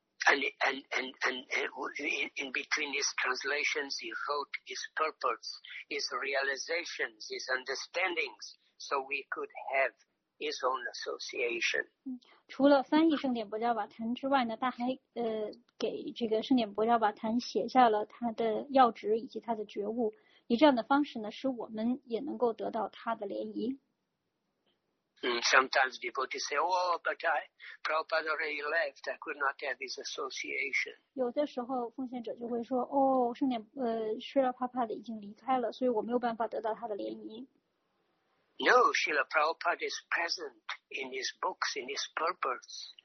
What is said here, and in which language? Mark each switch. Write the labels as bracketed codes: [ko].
[en] And in between his translations, he wrote his purports, his realizations, his understandings, so we could have. His own association. [zh] 除了翻译圣典波迦瓦坛之外呢，他还给这个圣典波迦瓦坛写下了他的要旨以及他的觉悟，以这样的方式呢，使我们也能够得到他的涟漪。 [en] Sometimes devotees say, "Oh, but I, Prabhupada already left. I could not have his association." [zh] 有的时候奉献者就会说，哦，圣典Srila Prabhupada已经离开了，所以我没有办法得到他的涟漪。 [en] No, Srila Prabhupada is present in his books, in his purports.